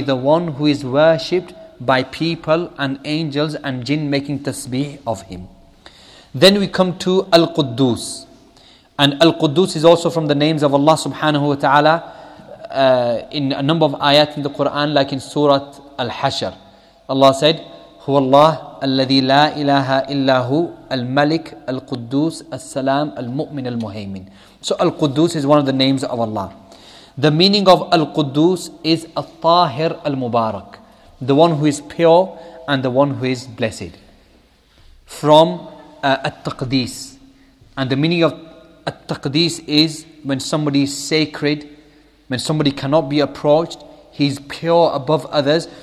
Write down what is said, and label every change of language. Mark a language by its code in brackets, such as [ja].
[en] the one who is worshipped by people and angels and jinn making Tasbih of Him. Then we come to Al-Quddus. And Al-Quddus is also from the names of Allah subhanahu wa ta'ala in a number of ayat in the Quran, like in Surah Al-Hashr. Allah said, [ar] هُوَ اللَّهُ الَّذِي لَا إِلَهَ إِلَّا هُوَ الْمَلِكُ الْقُدُّوسُ السَّلَامُ الْمُؤْمِنُ الْمُهَيْمِنُ. [en] So Al-Quddus is one of the names of Allah. The meaning of Al-Quddus is Al-Tahir Al-Mubarak, the one who is pure and the one who is blessed. From At-Taqdis. And the meaning of At-Taqdis is when somebody is sacred, when somebody cannot be approached, he's pure above others.